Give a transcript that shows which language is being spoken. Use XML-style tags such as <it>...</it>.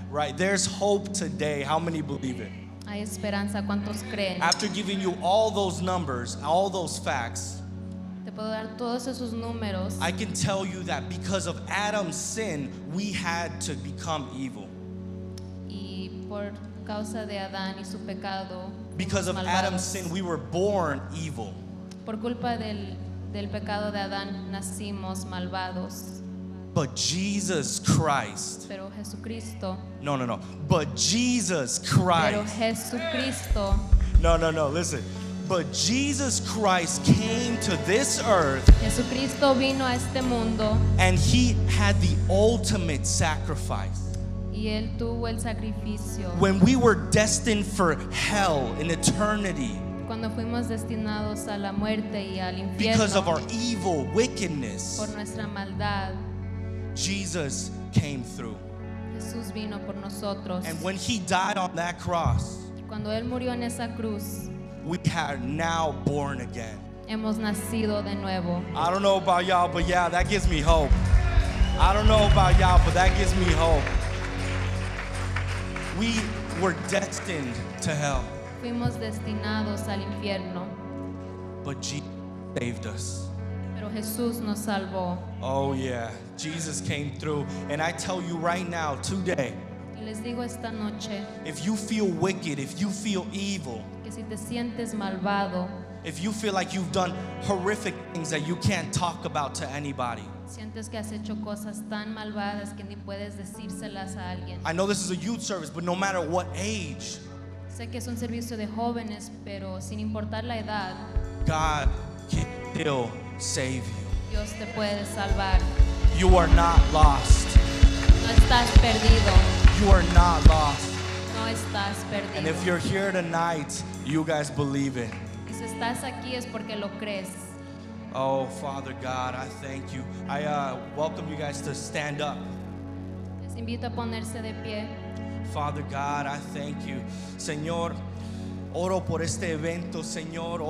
<en>Right, there's hope today. How many believe it?</en> <es>Hay esperanza. ¿Cuántos creen?</es> <en>After giving you all those numbers, all those facts,</en> <es>te puedo dar todos esos números.</es> <en>I can tell you that because of Adam's sin, we had to become evil.</en> <es>Y por causa de Adán y su pecado,</es> <en>because of Adam's sin, we were born evil.</en> <es>Por culpa del pecado de Adán, nacimos malvados.</es> <en>But Jesus Christ.</en> <es>Pero Jesucristo.</es> <en>No, no, no. But Jesus Christ.</en> <es>Pero Jesucristo.</es> <en>No, no, no. Listen. But Jesus Christ came to this earth.</en> <es>Jesucristo vino a este mundo.</es> <en>And he had the ultimate sacrifice.</en> <es>Y él tuvo el sacrificio.</es> <en>When we were destined for hell in eternity.</en> <es>Cuando fuimos destinados a la muerte y al infierno.</es> <en>Because of our evil wickedness.</en> <es>Por nuestra maldad.</es> <en>Jesus came through.</en> <es>Jesús vino por nosotros.</es> <en>And when he died on that cross,</en> <es>cuando él murió en esa cruz,</es> <en>we are now born again.</en> <es>Hemos nacido de nuevo.</es> <en>I don't know about y'all, but yeah, that gives me hope. I don't know about y'all, but that gives me hope. We were destined to hell.</en> <es>Fuimos destinados al infierno.</es> <en>But Jesus saved us.</en> <es>Pero Jesús nos salvó.</es> <en>Oh yeah, Jesus came through. And I tell you right now, today,</en> <es>les digo esta noche,</es> <en>if you feel wicked, if you feel evil,</en> <es>que si te sientes malvado,</es> <en>if you feel like you've done horrific things that you can't talk about to anybody, I know this is a youth service, but no matter what age,</en> <es>sé que es un servicio de jóvenes, pero sin importar la edad,</es> <en>God can still save you.</en> <es>Dios te puede salvar.</es> <en>You are not lost.</en> <es>No estás perdido.</es> <en>You are not lost.</en> <es>No estás perdido.</es> <en>And if you're here tonight, you guys believe it.</en> <es>Y si estás aquí es porque lo crees.</es> <en>Oh, Father God, I thank you. I welcome you guys to stand up.</en> <es>Les invito a ponerse de pie.</es> <en>Father God, I thank you.</en> <es>Señor, oro por este evento, Señor.</es>